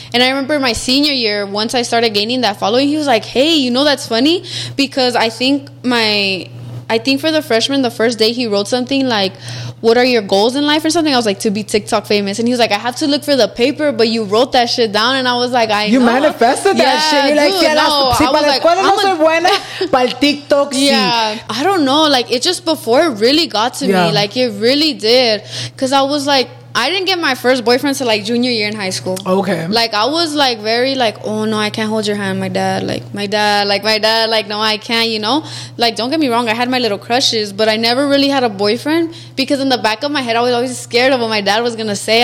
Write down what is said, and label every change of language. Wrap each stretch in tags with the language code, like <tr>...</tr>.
<en>And I remember my senior year, once I started gaining that following, he was like, hey, you know, that's funny. Because I think for the freshman, the first day he wrote something like, what are your goals in life or something? I was like, to be TikTok famous. And he was like, I have to look for the paper, but you wrote that shit down. And I was like, I know. You manifested that shit. You're like, dude, no.</en> <es>Si para la escuela no soy buena, para el TikTok, sí.</es> <en>Yeah. I don't know. Like, it just, before it really got to me. Like, it really did. Because I was like, I didn't get my first boyfriend till, like, junior year in high school. Okay. Like, I was, like, very, like, oh, no, I can't hold your hand, my dad, like, no, I can't, you know? Like, don't get me wrong, I had my little crushes, but I never really had a boyfriend because in the back of my head, I was always scared of what my dad was going to say.</en>